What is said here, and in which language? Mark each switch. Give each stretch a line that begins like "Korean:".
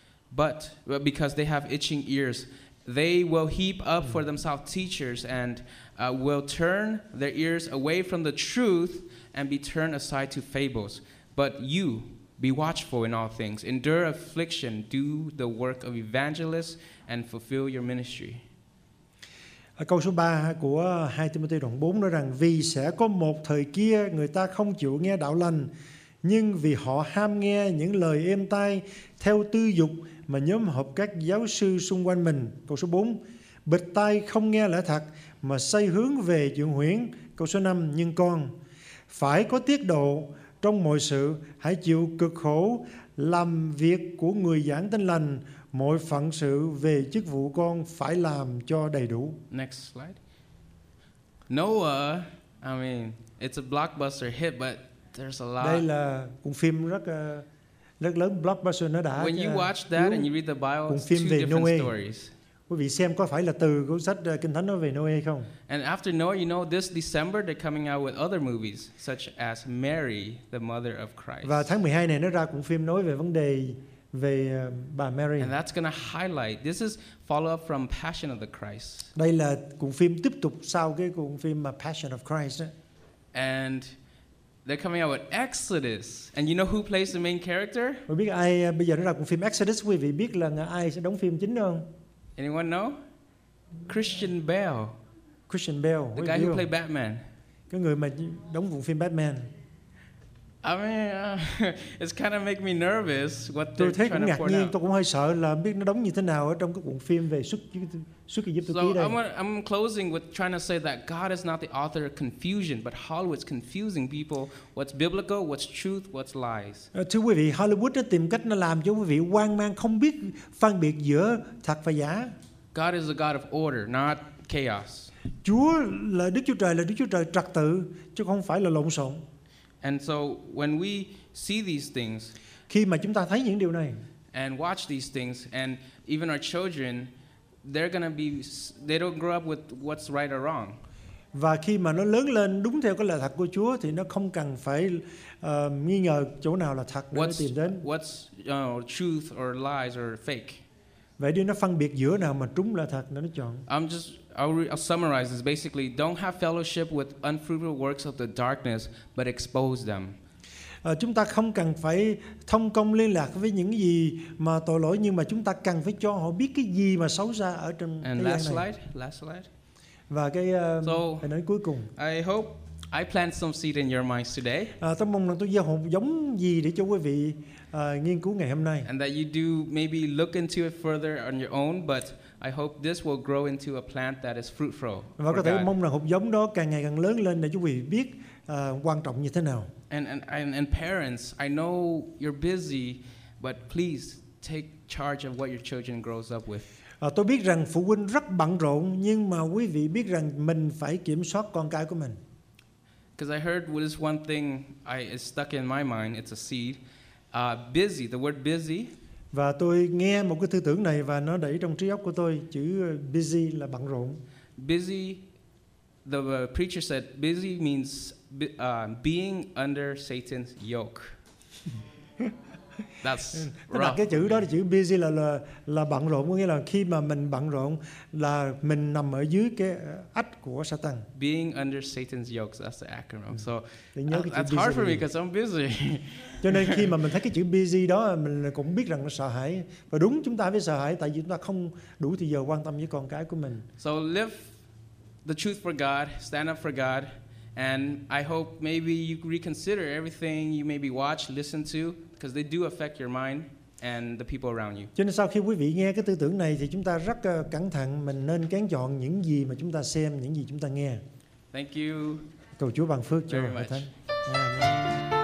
English: But because they have itching ears, they will heap up for themselves teachers and will turn their ears away from the truth and be turned aside to fables. But you, be watchful in all things, endure affliction, do the work of evangelists, and fulfill your ministry.
Vietnamese: Câu số 3 của 2 Timothy đoạn 4 nói rằng vì sẽ có một thời kia người ta không chịu nghe đạo lành, nhưng vì họ ham nghe những lời êm tai theo tư dục mà nhóm họp các giáo sư xung quanh mình. Câu số 4, bịt tai không nghe lẽ thật mà say hướng về chuyện huyễn. Câu số 5, nhưng con phải có tiết độ trong mọi sự, hãy chịu cực khổ làm việc của người giảng tin lành, mọi phận sự về chức vụ con phải làm cho đầy đủ.
English: Next slide. Noah, I mean, it's a blockbuster hit, but there's a lot.
Vietnamese: Đây là cuốn phim rất rất lớn blockbuster nó đã.
English: When you watch that and you read the Bible,
Vietnamese: cuốn phim về Noah.
English: Stories.
Vietnamese: Quý vị xem có phải là từ cuốn sách Kinh Thánh nói về Noe không?
English: And after Noah, you know, this December they're coming out with other movies such as Mary, the mother of Christ.
Vietnamese: Và tháng 12 này nó ra cuốn phim nói về vấn đề về bà Mary.
English: And that's going to highlight, this is follow up from Passion of the Christ.
Vietnamese: Đây là cuốn phim tiếp tục sau cái cuốn phim Passion of Christ.
English: And they're coming out with Exodus. And you know who plays the main character?
Vietnamese: Quý vị biết ai bây giờ nó ra cuốn phim Exodus, quý vị biết là ai sẽ đóng phim chính không?
English: Anyone know? Christian Bale. Christian Bale. The guy who played Batman.
Vietnamese: Cái người mà đóng vụ phim Batman.
English: I mean, it's kind of make me nervous what they're trying to pour out.
Vietnamese: Tôi thấy ngạc nhiên, tôi cũng hơi sợ là biết nó đóng như thế nào ở trong cái cuộn phim về xuất kỳ giúp tôi ký đây.
English: So I'm closing with trying to say that God is not the author of confusion, but Hollywood's confusing people what's biblical, what's truth, what's lies.
Vietnamese: Thưa quý vị, Hollywood đã tìm cách nó làm cho quý vị hoang mang, không biết phân biệt giữa thật và giả.
English: God is a God of order, not chaos.
Vietnamese: Chúa là Đức Chúa Trời, là Đức Chúa Trời trật tự, chứ không phải là lộn xộn.
English: And so when we see these things,
Vietnamese: khi mà chúng ta thấy những điều này,
English: and watch these things, and even our children, they're gonna be, they don't grow up with what's right or wrong.
Vietnamese: Và khi mà nó lớn lên đúng theo cái lời thật của Chúa, thì nó không cần phải nghi ngờ chỗ nào là thật để tìm đến.
English: What's truth or lies or fake?
Vietnamese: Vậy đi, nó phân biệt giữa nào mà trúng là thật, nó chọn.
English: I'll summarize this. Basically, don't have fellowship with unfruitful works of the darkness, but expose them.
Vietnamese: chúng ta không cần phải thông công liên lạc với những gì mà tội lỗi, nhưng mà chúng ta cần phải cho họ biết cái gì mà xấu xa ở trong thế gian
English: này. Last slide.
Vietnamese: Và cái hình ảnh cuối cùng.
English: I hope I plant some seed in your minds today.
Vietnamese: Tôi mong rằng tôi gieo hạt giống gì để cho quý vị nghiên cứu ngày hôm nay.
English: And that you do maybe look into it further on your own, but I hope this will grow into a plant that is fruitful.
Vietnamese: Và có thể mong rằng hạt giống đó càng ngày càng lớn lên để quý vị biết quan trọng như thế nào.
English: And parents, I know you're busy, but please take charge of what your children grows up with.
Vietnamese: Tôi biết rằng phụ huynh rất bận rộn, nhưng mà quý vị biết rằng mình phải kiểm soát con cái của mình.
English: Because I heard this one thing is stuck in my mind. It's a seed. Busy. The word busy.
Vietnamese: Và tôi nghe một cái tư tưởng này và nó đẩy trong trí óc của tôi chữ busy là bận rộn.
English: Busy. The preacher said busy means being under Satan's yoke. That's rough.
Vietnamese: Đặt cái chữ đó là chữ busy là bận rộn, có nghĩa là khi mà mình bận rộn là mình nằm ở dưới cái ách của Satan.
English: Being under Satan's yoke, that's the acronym. So that's hard for me because I'm busy.
Vietnamese: Cho nên khi mà mình thấy cái chữ busy đó, mình cũng biết rằng nó sợ hãi. Và đúng, chúng ta phải sợ hãi tại vì chúng ta không đủ thời giờ quan tâm với con cái của mình.
English: So live the truth for God, stand up for God, and I hope maybe you reconsider everything you maybe watch, listen to, because they do affect your mind and the people around you.
Vietnamese: Cho nên sau khi quý vị nghe cái tư tưởng này thì chúng ta rất cẩn thận, mình nên kén chọn những gì mà chúng ta xem, những gì chúng ta nghe.
English: Thank you.
Vietnamese: Cầu Chúa ban phước cho hội thánh.